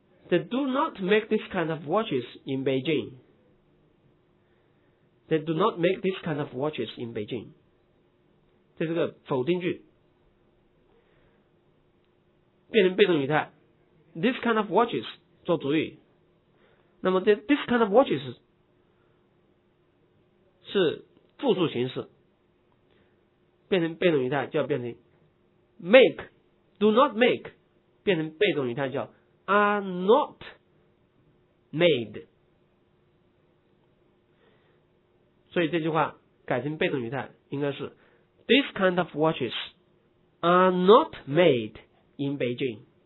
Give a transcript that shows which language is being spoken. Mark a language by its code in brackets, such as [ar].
[en] They do not make this kind of watches in Beijing. They do not make this kind of watches in Beijing. [zh] 这是个否定句，变成被动语态。 [en] This kind of watches [zh] 做主语，那么 [en] this kind of watches [zh] 是复数形式，变成被动语态就要变成 make， [en] do not make， [zh] 变成被动语态叫 [en] are not made。 [zh] 所以这句话改成被动语态应该是。 [en] These kind of watches are not made in Beijing.